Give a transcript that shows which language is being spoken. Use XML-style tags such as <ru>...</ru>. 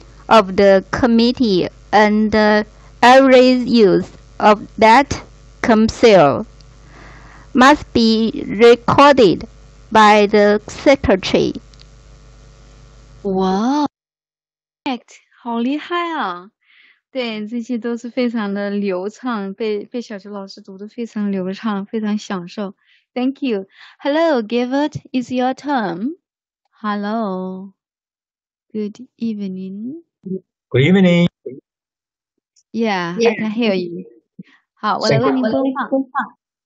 <en>Of the committee and every use of that council must be recorded by the secretary. Wow, perfect,</en> <zh>好厉害啊！对，这些都是非常的流畅，被小学老师读的非常流畅，非常享受。</zh> <en>Thank you. Hello, Gilbert, it's your turn. Hello. Good evening. Good evening. Yeah, I can hear you.</en> <zh>好，我来为您播放。</zh>